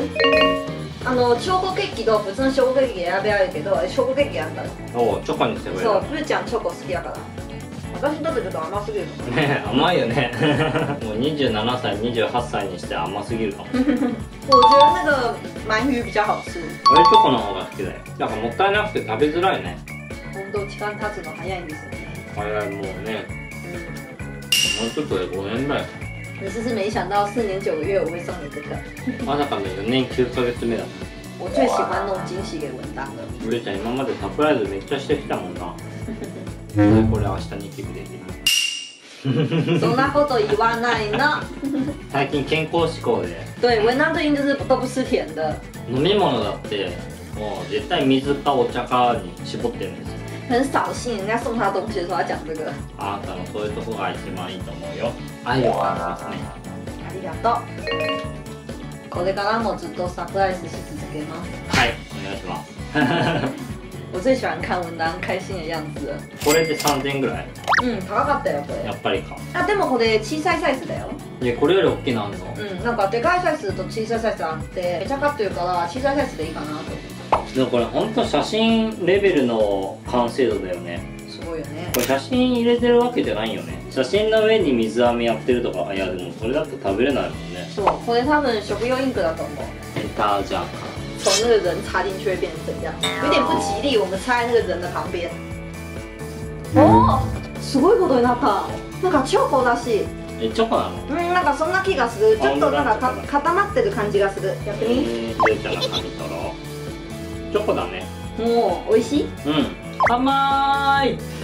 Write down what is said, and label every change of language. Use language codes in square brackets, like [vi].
[ja] チョコケーキと普通のショコケーキ選べあるけど、ショコケーキやったの。おお、チョコにしてくれる。そう、ふーちゃんチョコ好きだから。私にとってちょっと甘すぎるかも。ね、甘いよね。もう27歳、28歳にして甘すぎるかも。 [zh] 我觉得那个鳗鱼比较好吃。 [ja] あれチョコの方が好きだよ。なんかもったいなくて食べづらいね。本当、時間経つの早いんですよね。早い、もうね。もうちょっとで5年だよ。 [zh] 我真是没想到四年九个月我会送你这个。 [ja] まさかね、4年9ヶ月目だ。 [zh] 我最喜欢弄惊喜给文章了。 [ja] ブレちゃん今までサプライズめっちゃしてきたもんな。これ明日に行ってくれる。そんなこと言わないの。最近健康志向で。 [zh] 对，文章最近就是都不吃甜的。 [ja] 飲み物だってもう絶対水かお茶かに絞ってるんですよ。 [zh] 很扫兴，人家送他东西的时候要讲这个。 [ja] あなたのそういうとこが一番いいと思うよ。愛を感じますね。ありがとう。これからもずっとサプライズし続けます。はい、お願いします。 [zh] 我最喜欢看文章开心的样子。 [ja] これで3000円ぐらい。高かったよこれ。やっぱりか。あ、でもこれ小さいサイズだよ。え、これより大きいのあるの？なんかでかいサイズと小さいサイズあって、めちゃかってるから小さいサイズでいいかなと思って。でもこれ本当写真レベルの完成度だよね。すごいよね。これ写真入れてるわけじゃないよね。写真の上に水飴やってるとか、いやでもそれだと食べれないもんね。そう、これ多分食用インクだと思う。ペタージャーか。 [zh] 从那个人插进去会变成怎样？有点不吉利。我们插在那个人的旁边。 [ja] 哦，すごいことになった。なんかチョコだし。え、チョコなの？なんかそんな気がする。ちょっとなんか固まってる感じがする。やってみ。ペタージャーの紙取ろう。チョコだね。もう美味しい？甘ーい。